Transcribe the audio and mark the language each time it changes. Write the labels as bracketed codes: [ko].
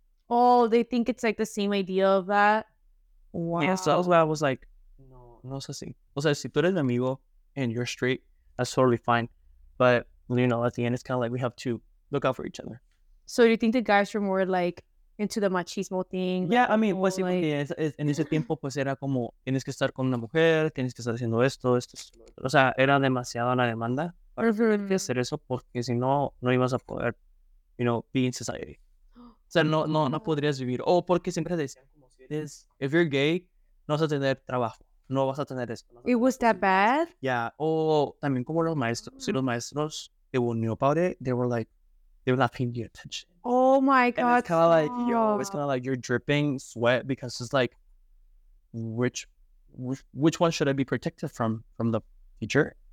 [en] Oh, they think it's like the same idea of that. Wow. Yeah, so that's why I was like, no, it's así. [es] O sea, si tú eres mi amigo [en] and you're straight, that's totally fine. But, you know, at the end, it's kind of like we have to look out for each other. So, do you think the guys were more, like, into the machismo thing? Yeah, like, [es] I mean, pues, like, en ese tiempo, pues, era como, tienes que estar con una mujer, tienes que estar haciendo esto. O sea, era demasiada la demanda para hacer eso, porque si no, no ibas a poder, [en] you know, be in society. [es] O sea, no podrías vivir. O porque siempre decían, como si eres, [en] if you're gay, [es] no vas a tener trabajo. No vas a tener eso. [en] It was that bad? [es] Yeah. También como los maestros. Si los maestros, [en] they will know about it, they were like, they were not paying you attention. Oh my God. And it's kind of like, yo, it's kind of like you're dripping sweat because it's like, which one should I be protected from the teacher?